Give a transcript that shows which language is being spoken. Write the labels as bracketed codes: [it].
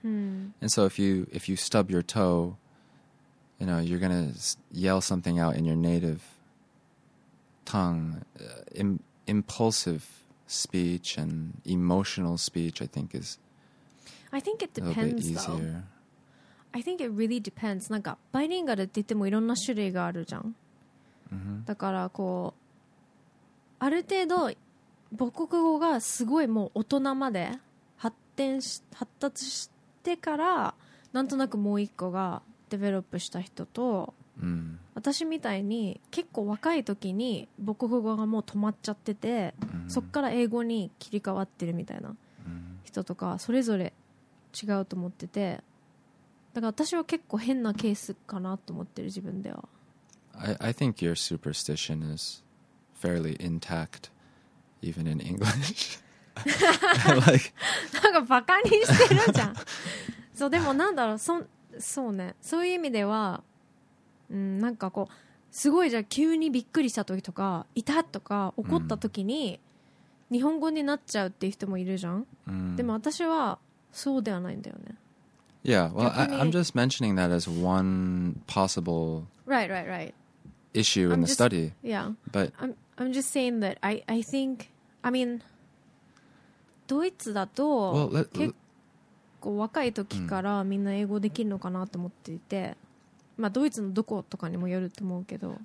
[en] And so if you stub your toe, you know, you're going to yell something out in your native tongue, impulsive speech and emotional speech, I think it depends, though. I think it really depends. [ja] なんかバイリンガルって言ってもいろんな種類があるじゃん。だからこう、ある程度母国語がすごいもう大人まで発達してから、なんとなくもう一個がデベロップした人と、私みたいに結構若い時に母国語がもう止まっちゃってて、そっから英語に切り替わってるみたいな人とか、それぞれ違うと思ってて、だから私は結構変なケースかなと思ってる自分では。 [en] I think your superstition isfairly intact even in English. [ja] like なんかバカにしてるじゃん。そう、でもなんだろう、そうね、そういう意味では、なんかこうすごい、じゃ急にびっくりした時とか、いたとか怒った時に、日本語になっちゃうっていう人もいるじゃん。でも私はそうではないんだよね。 [en] Yeah, well, I'm just mentioning that as one possible right issue in the study. Yeah. But I'm just saying that I think, I mean, [ja] ドイツだと結構若い時からみんな英語できるのかなと思っていて、まあドイツのどことかにもよると思うけど。